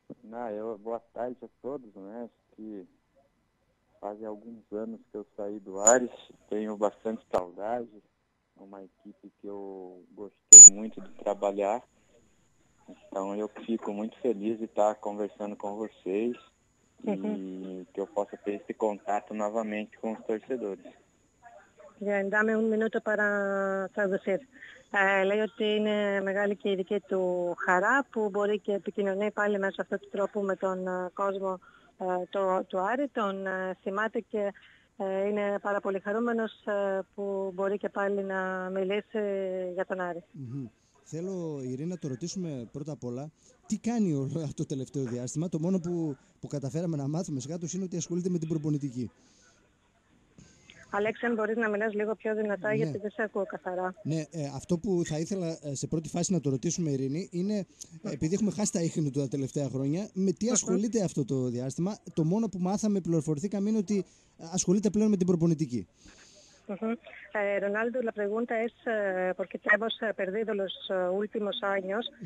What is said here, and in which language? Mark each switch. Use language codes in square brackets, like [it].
[el] Να, εγώ, [pt] boa tarde a todos, né, que faz alguns anos que eu saí do Ares, tenho bastante saudade, uma equipe que eu gostei muito de trabalhar, então eu fico muito feliz de estar conversando com vocês, e que eu possa ter esse contato novamente com os torcedores. Dá-me um minuto para traduzir. [el] Λέει ότι είναι μεγάλη και η δική του χαρά που μπορεί και επικοινωνεί πάλι μέσα αυτού του τρόπου με τον κόσμο του Άρη. Τον θυμάται και είναι πάρα πολύ χαρούμενος που μπορεί και πάλι να μιλήσει για τον Άρη. Θέλω, Ειρήνη, να το ρωτήσουμε πρώτα απ' όλα. Τι κάνει αυτό το τελευταίο διάστημα? Το μόνο που καταφέραμε να μάθουμε σιγά τους είναι ότι ασχολείται με την προπονητική. Αλέξη, αν μπορείς να μιλάς λίγο πιο δυνατά, ναι. Γιατί δεν σε ακούω καθαρά. Ναι, αυτό που θα ήθελα σε πρώτη φάση να το ρωτήσουμε, Ειρήνη, είναι επειδή έχουμε χάσει τα ίχνη του τα τελευταία χρόνια, με τι ασχολείται αυτό το διάστημα? Το μόνο που μάθαμε, πληροφορηθήκαμε, είναι ότι ασχολείται πλέον με την προπονητική. [es] Ρονάλντο, la pregunta es por qué te hemos perdido los últimos años.